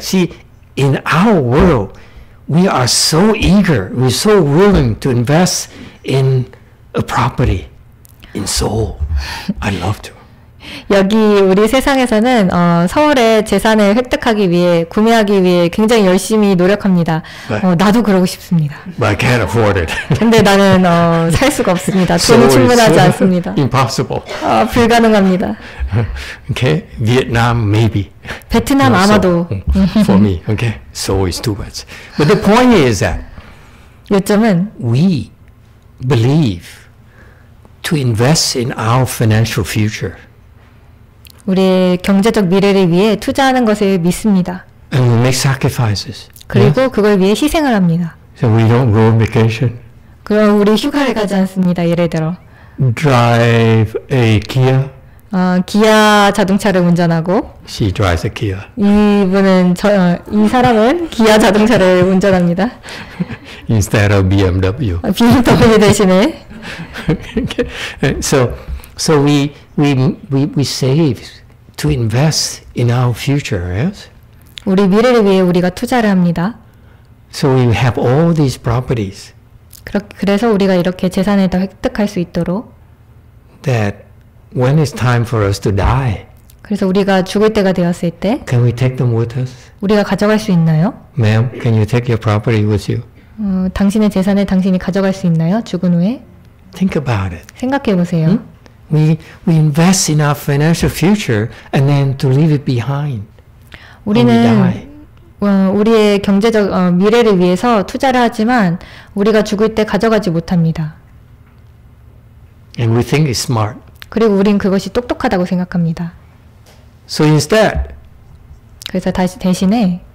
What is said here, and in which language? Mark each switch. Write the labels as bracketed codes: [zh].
[en] See, in our world, we are so eager, we're so willing to invest in a property, in Seoul. I'd love to. [ko] 여기 우리 세상에서는 서울의 재산을 획득하기 위해 구매하기 위해 굉장히 열심히 노력합니다. [en] But, [ko] 나도 그러고 싶습니다. [en] I can't afford it. [ko] 근데 나는 살 수가 없습니다. 돈이 충분하지 않습니다. [en] Impossible. [ko] 불가능합니다. [en] Okay, Vietnam maybe. [ko] 베트남 아마도. [en] For me, okay, Seoul is too much. But the point is that [ko] 요점은 [en] we believe to invest in our financial future. [ko] 우리 경제적 미래를 위해 투자하는 것을 믿습니다. [en] And we make sacrifices. [ko] 그리고 yes? 그걸 위해 희생을 합니다. [en] So we don't go on vacation. [ko] 그럼 우리 휴가를 가지 않습니다. 예를 들어. [en] Drive a Kia. [ko] 기아 자동차를 운전하고. [en] She drives a Kia. [ko] 이분은 이 사람은 기아 자동차를 운전합니다. [en] Instead of BMW. [ko] BMW 대신에. [en] So we save to invest in our future, yes? [ko] 우리 미래를 위해 우리가 투자를 합니다. [en] So we have all these properties. [ko] 그래서 우리가 이렇게 재산을 더 획득할 수 있도록. [en] That when it's time for us to die. [ko] 그래서 우리가 죽을 때가 되었을 때. [en] Can we take them with us? [ko] 우리가 가져갈 수 있나요? [en] Ma'am, can you take your property with you? [ko] 당신의 재산을 당신이 가져갈 수 있나요? 죽은 후에? [en] Think about it. [ko] 생각해 보세요. Hmm? [en] We invest in our financial future and then to leave it behind. [ko] 우리는 [en] when we die. [ko] 우리의 경제적 미래를 위해서 투자를 하지만 우리가 죽을 때 가져가지 못합니다. [en] And we think it's smart. [ko] 그리고 우린 그것이 똑똑하다고 생각합니다. [en] So instead. [ko] 그래서 대신에